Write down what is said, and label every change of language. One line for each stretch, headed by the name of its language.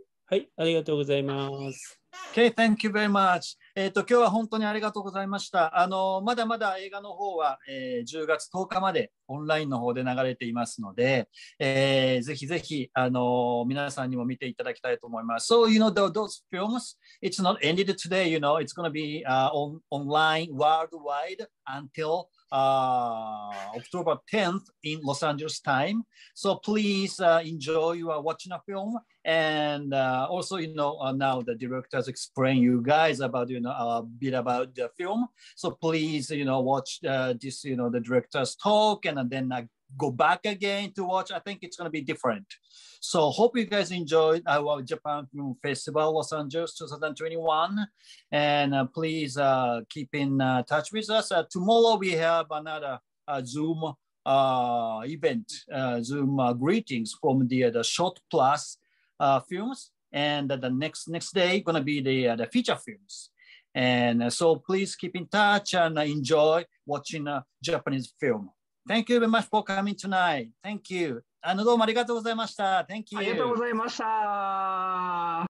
Japanese: はい、ありがとうございます。
English: Okay, thank you very much.
Japanese: 今日は本当にありがとうございました。まだまだ映画の方は、10月10日までオンラインの方で流れていますので、ぜひぜひ、皆さんにも見ていただきたいと思います。
English: So, you know, those films, it's not ended today, you know, it's going to be online worldwide until October 10th in Los Angeles time. So please enjoy your watching a film. And also, you know, now the director has explained you guys about, you know, a bit about the film. So please, you know, watch this, you know, the director's talk and then go back again to watch. I think it's going to be different. So hope you guys enjoyed our Japan Film Festival Los Angeles 2021. And please keep in touch with us. Tomorrow we have another Zoom event, Zoom greetings from the Short Plus films. And the next day going to be the feature films. And so please keep in touch and enjoy watching a Japanese film. Thank you very much for coming tonight. Thank you.
Japanese: どうもありがとうございました。
English: Thank you.
Japanese: ありがとうございました。